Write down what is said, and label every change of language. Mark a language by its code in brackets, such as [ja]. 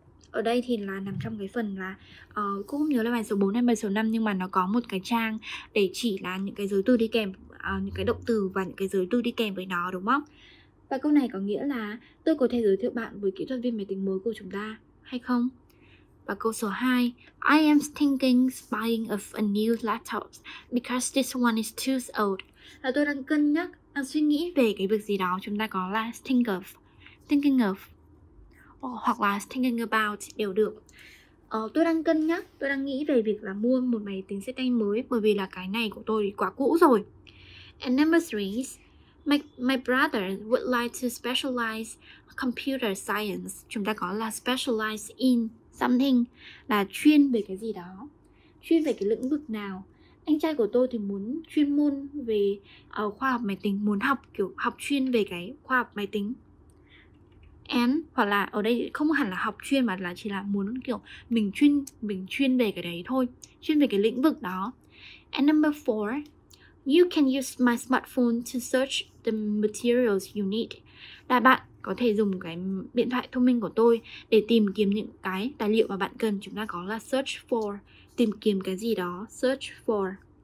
[vi] Ở đây thì là nằm trong cái phần là cũng không nhớ là bài số 4 hay bài số 5, nhưng mà nó có một cái trang để chỉ là những cái giới từ đi kèm, những cái động từ và những cái giới từ đi kèm với nó, đúng không? Và câu này có nghĩa là tôi có thể giới thiệu bạn với kỹ thuật viên máy tính mới của chúng ta hay không? Và câu số 2, [en] I am thinking buying of a new laptop because this one is too old. [vi] Là tôi đang cân nhắc, đang suy nghĩ về cái việc gì đó. Chúng ta có là [en] thinking of. [vi] hoặc là [en] thinking about [vi] đều được. Tôi đang cân nhắc, tôi đang nghĩ về việc là mua một máy tính xách tay mới bởi vì là cái này của tôi quá cũ rồi. [en] And number three is my brother would like to specialize computer science. [vi] Chúng ta có là [en] specialize in something, [vi] là chuyên về cái gì đó, chuyên về cái lĩnh vực nào. Anh trai của tôi thì muốn chuyên môn về khoa học máy tính, muốn học kiểu học chuyên về cái khoa học máy tính. And hoặc là ở đây không hẳn là học chuyên mà là chỉ là muốn kiểu mình chuyên về cái đấy thôi, chuyên về cái lĩnh vực đó. [en] And number four, you can use my smartphone to search the materials you need. [vi] Là bạn có thể dùng cái điện thoại thông minh của tôi để tìm kiếm những cái tài liệu mà bạn cần. Chúng ta có là [en] search for, [vi] tìm kiếm cái gì đó, search for.